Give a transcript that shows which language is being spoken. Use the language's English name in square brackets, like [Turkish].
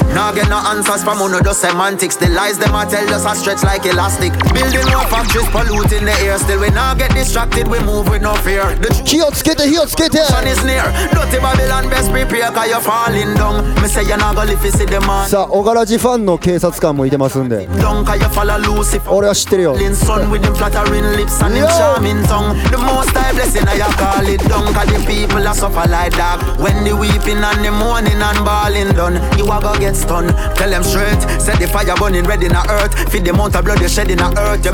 [English] Now get no answers from one of the semantics. The lies them a tell us are stretched like elastic. Building up factories polluting the air. Still we now get distracted, we move with no fear. [Japanese] Hiyotsukete [English] sun is near. Dirty Babylon best prepare. Cause you're falling down. Me say you're not gonna live to see the man. [Japanese] さあ、オガラジファンの警察官もいてますんで、俺は知ってるよ。 [English] Falling sun with him flattering lips and him charming tongue. The most high blessing I have call it down. Cause the people are suffer like dog. When the weeping and the mourning and bawling done, you are gonna get stunned. Tell them straight, set the fire burning red in the earth. Feed the mount of blood you shed in the earth.